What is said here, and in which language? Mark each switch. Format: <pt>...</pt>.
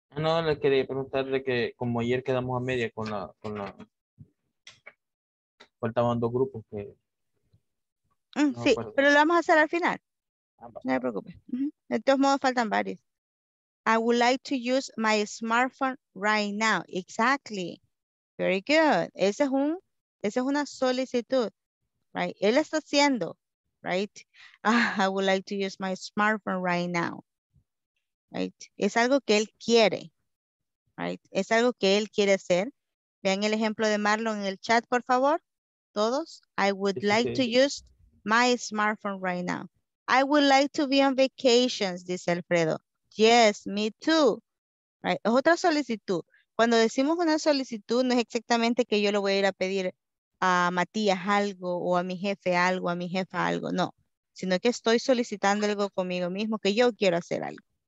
<es>No, le quería preguntar de que como ayer quedamos a media con la faltaban dos grupos que sí, pero lo vamos a hacer al final. No se preocupe. De todos modos faltan varios.</es> <en>I would like to use my smartphone right now. Exactly. Very good.</en> <es>Esa es una solicitud. Right. Él está haciendo. Right.</es> <en>I would like to use my smartphone right now.</en> <es>Right. Es algo que él quiere. Right. Es algo que él quiere hacer. Vean el ejemplo de Marlon en el chat, por favor. Todos.</es> <en>I would like to use my smartphone right now. I would like to be on vacations,</en> <es>dice Alfredo.</es> <en>Yes, me too. Right.</en> <es>Es otra solicitud. Cuando decimos una solicitud, no es exactamente que yo le voy a ir a pedir a Matías algo o a mi jefe algo, a mi jefa algo. No, sino que estoy solicitando algo conmigo mismo, que yo quiero hacer algo.</es>